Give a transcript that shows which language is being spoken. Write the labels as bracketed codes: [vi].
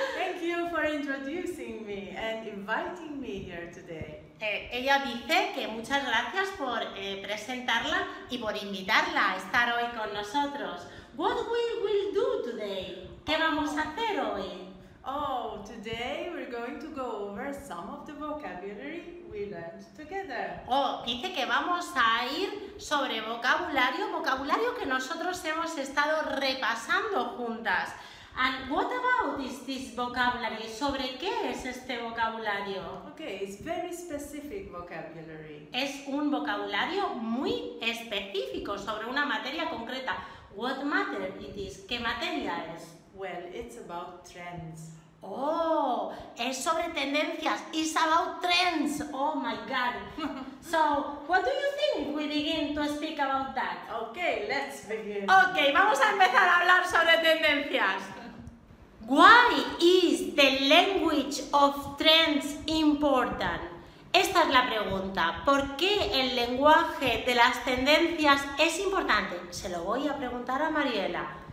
[en] Thank you for introducing me and inviting me here today. [es] Ella dice que muchas gracias por presentarla y por invitarla a estar hoy con nosotros. [en] What we will do today? [es] ¿Qué vamos a hacer hoy? [en] Oh, today we're going to go over some of the vocabulary we learned together. [es] Oh, dice que vamos a ir sobre vocabulario que nosotros hemos estado repasando juntas. [en] And what about is this vocabulary? [es] ¿Sobre qué es este vocabulario? [en] Okay, it's very specific vocabulary. [es] Es un vocabulario muy específico sobre una materia concreta. [en] What matter it is? [es] ¿Qué materia es? [en] Well, it's about trends. [es] Oh, es sobre tendencias. [en] It's about trends. Oh my God. So, what do you think we begin to speak about that? Okay, let's begin. Okay, [es] vamos a empezar a hablar sobre tendencias. [en] Why is the language of trends important? [es] Esta es la pregunta. ¿Por qué el lenguaje de las tendencias es importante? Se lo voy a preguntar a Mariela.